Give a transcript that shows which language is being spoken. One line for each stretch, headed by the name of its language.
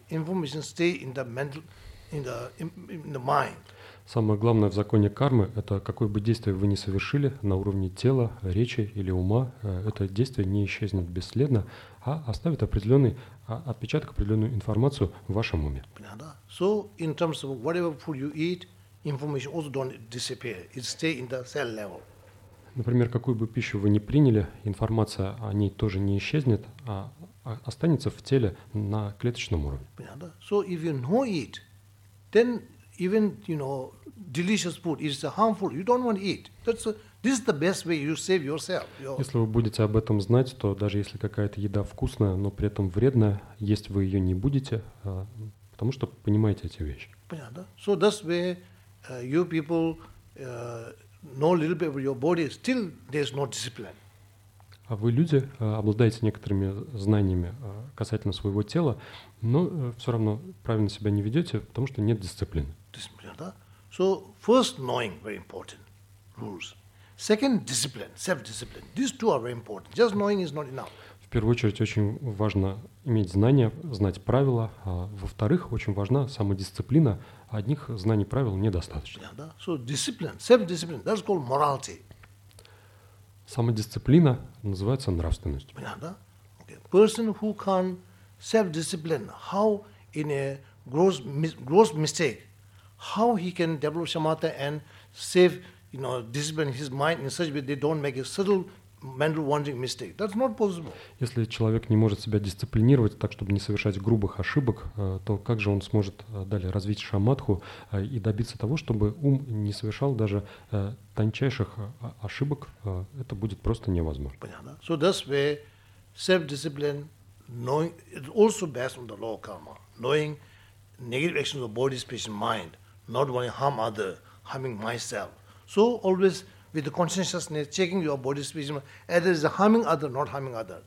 English: Information stay in the mental, in the mind.
Russian: Самое главное в законе кармы – это какое бы действие вы ни совершили на уровне тела, речи или ума, это действие не исчезнет бесследно, а оставит определенный отпечаток, определенную информацию в вашем уме. Понятно?
English: So, in terms of whatever food you eat, information also don't disappear. It stay in the cell level.
Russian: Например, какую бы пищу вы ни приняли, информация о ней тоже не исчезнет, а останется в теле на клеточном уровне. Понятно?
English: So, if you know it, then even, you know, delicious food is harmful. You don't want to eat. That's a, this is the best way you save yourself.
Russian: Если вы будете об этом знать, то даже если какая-то еда вкусная, но при этом вредная, есть вы ее не будете, потому что понимаете эти вещи. Понятно.
English: So that's where you people know a little bit of your body. Still, there's no discipline.
Russian: А вы люди обладаете некоторыми знаниями касательно своего тела, но все равно правильно себя не ведете, потому что нет дисциплины. Да?
English: So first knowing very important rules. Second discipline, self-discipline. These two are very important. Just knowing is not enough.
Russian: В первую очередь очень важно иметь знания, знать правила. Во-вторых, очень важна самодисциплина. Одних знаний правил недостаточно. Да?
English: So discipline, self-discipline. That's called morality.
Russian: Самодисциплина называется нравственностью. Понятно? Okay.
English: Person who can self-discipline, how in a gross mistake, how he can develop samatha and save, you know, discipline his mind in such way they don't make a subtle mental wandering mistake. That's not possible.
Russian: Если человек не может себя дисциплинировать так, чтобы не совершать грубых ошибок, то как же он сможет далее развить шамадху и добиться того, чтобы ум не совершал даже тончайших ошибок? Это будет просто невозможно. Понятно.
English: So that's where self-discipline, knowing, it's also based on the law of karma, knowing negative actions of body, speech, and mind, not wanting to harm other, harming myself. So always with the consciousness, checking your body, speech, either is harming other, not harming other.